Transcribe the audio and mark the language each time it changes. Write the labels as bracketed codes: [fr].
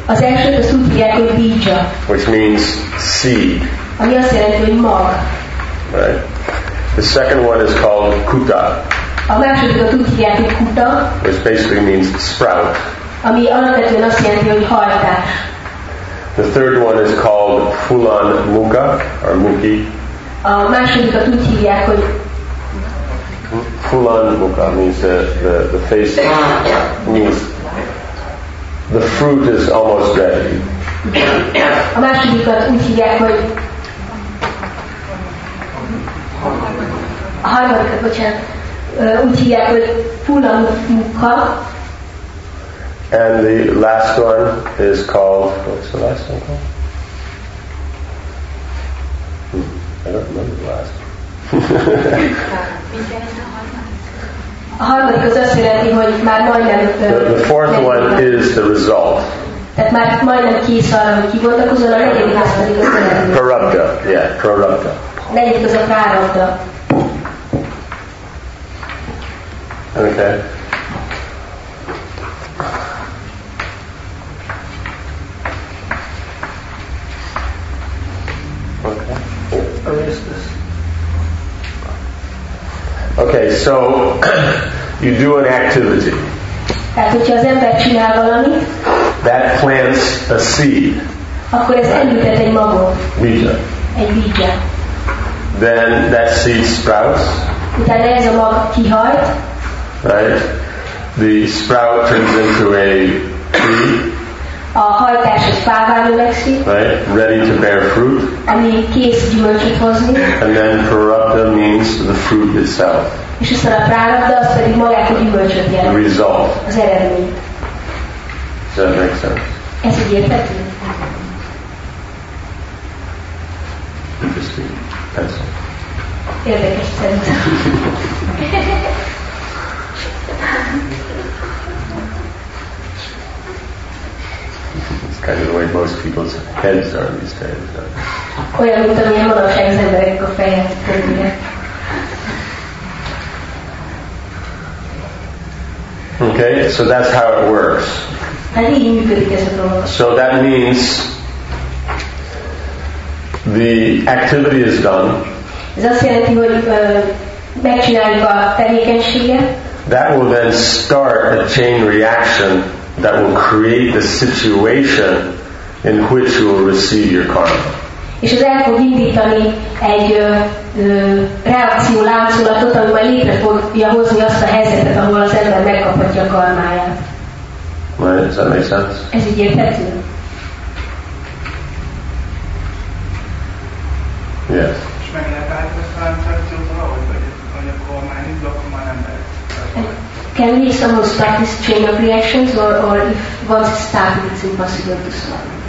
[hu] Az elsőt azt úgy hívják, hogy bija. [en] Which means seed. [hu] Ami azt jelenti, hogy mag. [en] Right. The second one is called kuta. [hu] A másodikat úgy hívják, hogy kuta. [en] Which basically means sprout. [hu] Ami alapvetően azt jelenti, hogy hajtás. [en] The third one is called phulan muga, or muki. [hu] A másodikat úgy hívják, hogy [en] phulan muga means the face. Means the fruit is almost ready. [hu] A másodikat úgy hívják, hogy a harmadikat, bocsánat, úgy hívják, hogy phulan muga. [en] And the last one is called, what's the last one called? I don't remember the last one. [hu] A harmadik az azt jelenti, hogy már majdnem [en] The fourth one is the result. [hu] Tehát már majdnem kész arra, hogy kibontakozol, a negyedik az pedig az eredmény. [en] Prarabdha, yeah, prarabdha. [hu] Negyedik az a prarabdha. [en] Okay. Okay, so you do an activity. [hu] Tehát, hogyha az ember csinál valamit, [en] that plants a seed. [hu] Akkor ez elültet egy magot. [sa] Bígya. [hu] Egy bígya. [en] Then that seed sprouts. [hu] Utána ez a mag kihajt. [en] Right? The sprout turns into a tree. [hu] A hajtás egy fává növekszik. [en] Right? Ready to bear fruit. [hu] Ami kész gyümölcsöt hozni. [en] And then prarabdha means the fruit itself. [hu] És aztán a prarabdha az pedig magát a gyümölcsöt jelent. [en] The result. [hu] Az eredmény. [en] Does that make sense? [hu] Ez így érthető? [en] Interesting. That's all. [hu] Érdekes szerintem. [en] Kind of the way most people's heads are these days. [hu] Olyan, mint amilyen manapság az emberek a fejét törnie. [en] Okay, so that's how it works. [hu] Hát így működik ez a dolog. [en] So that means the activity is done. [hu] Ez azt jelenti, hogy megcsináljuk a tevékenységet. [en] That will then start a chain reaction that will create the situation in which you will receive your karma. [hu] És ez el fog indítani egy reakció láncolatot, ami majd létre fogja hozni azt a helyzetet, ahol az ember megkaphatja a karmáját. [en] Right, does that make sense? [hu] Ez így érthető? [en] Yes. Can we somehow start this chain of reactions, or if once it's started, it's impossible to stop?